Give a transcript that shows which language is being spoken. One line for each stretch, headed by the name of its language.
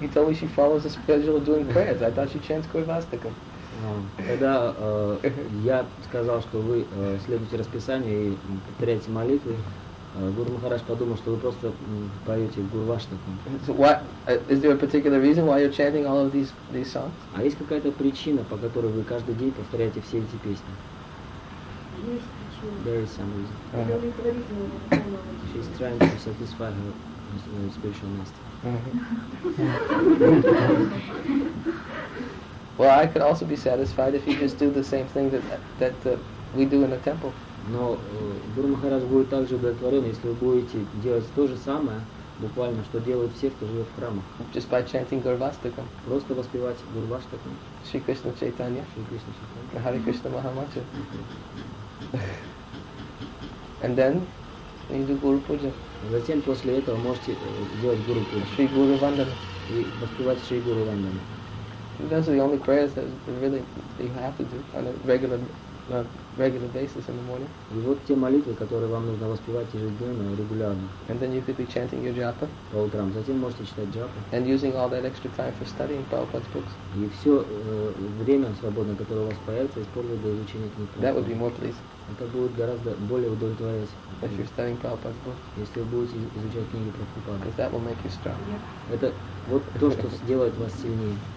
English: You told me she follows a schedule of doing prayers. I thought she chants Kuivastika.
Russian: Когда я сказал, что вы следуете расписанию и повторяете молитвы, Гуру Махарадж подумал, что вы просто поете Гурваштаку.
English: Is there a particular reason why you're chanting all of these songs?
Russian: А есть какая-то причина, по которой вы каждый день повторяете все эти песни? Есть причина.
English: There is some reason. Uh-huh. She's trying to satisfy her spiritual master. Uh-huh. Well, I could also be satisfied if you just do the same thing that we do in the temple.
Russian: Но Гуру Махарадж будет также удовлетворен, если вы будете делать то же самое, буквально, что делают все, кто живет в храмах.
English: Just by chanting Gurvastaka.
Russian: Просто воспевать Гурваштаку. Шри Кришна Чайтанья. Шри Кришна Чайтанья. Хари Кришна Махамача.
English: And then you do Guru Puja.
Russian: Затем после этого можете делать Guru Puja. Шри Гуру Вандана. И воспевать Шри Гуру Вандана.
English: Those are the only prayers that really you have to do on a regular regular basis in the morning.
Russian: И вот те молитвы, которые вам нужно воспевать ежедневно, регулярно.
English: And then you could be chanting your japa.
Russian: По утрам. Затем можете читать джапу.
English: And using all that extra time for studying Prabhupada's books.
Russian: И все время свободное, которое у вас появится, используйте для изучения книг.
English: That would be more pleasing.
Russian: Это будет гораздо более удовлетворять.
English: If you're studying Prabhupada's books.
Russian: Если вы будете изучать книги Прабхупады.
English: Because that will make you strong.
Russian: Это вот то, что сделает вас сильнее.